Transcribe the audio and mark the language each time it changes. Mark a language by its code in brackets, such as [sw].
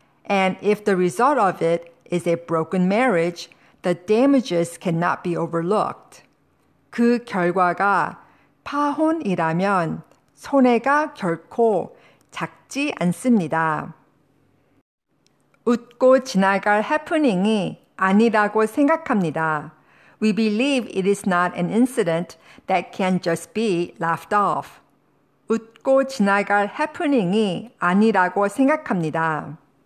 [en] And if the result of it is a broken marriage, the damages cannot be overlooked. [ko] 그 결과가 파혼이라면 손해가 결코 작지 않습니다. 웃고 지나갈 해프닝이 아니라고 생각합니다. [en] We believe it is not an incident that can just be laughed off. [ko] 웃고 지나갈 해프닝이 아니라고 생각합니다.